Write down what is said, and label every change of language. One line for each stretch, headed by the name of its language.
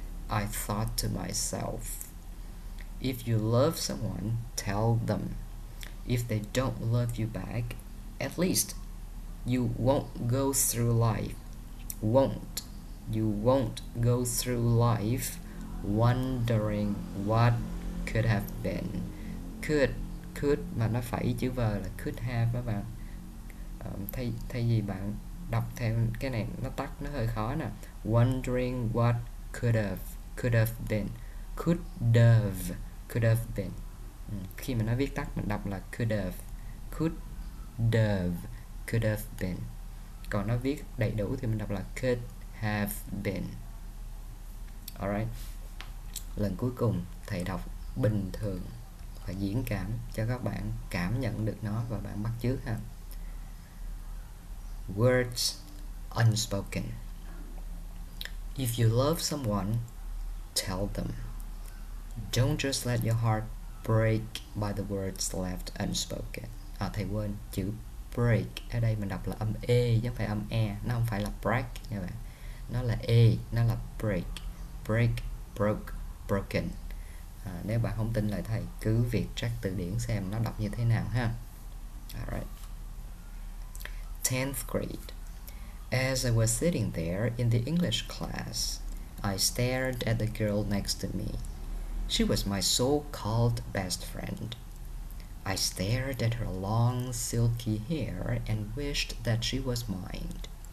English: I thought to myself, if you love someone, tell them. If they don't love you back, at least you won't go through life. Won't. You won't go through life wondering what could have been.
Vietnamese: Could mà nó phải chữ vờ là could have các bạn. Thay vì bạn đọc theo cái này nó tắt, nó hơi khó nè.
English: Wondering what could have been, could have been.
Vietnamese: Khi mà nó viết tắt mình đọc là could have been. Còn nó viết đầy đủ thì mình đọc là could have been. Alright. Lần cuối cùng thầy đọc bình thường và diễn cảm cho các bạn cảm nhận được nó và bạn bắt chước ha.
English: Words unspoken. If you love someone, tell them. Don't just let your heart break by the words left unspoken.
Vietnamese: À, thầy quên, chữ break ở đây mình đọc là âm E, giống phải âm E. Nó không phải là break nha bạn. Nó là E, nó là break. Break, broke, broken. À, nếu bạn không tin lời thầy, cứ việc check từ điển xem nó đọc như thế nào ha. Alright.
English: 10th grade. As I was sitting there in the English class, I stared at the girl next to me. She was my so-called best friend. I stared at her long, silky hair and wished that she was mine.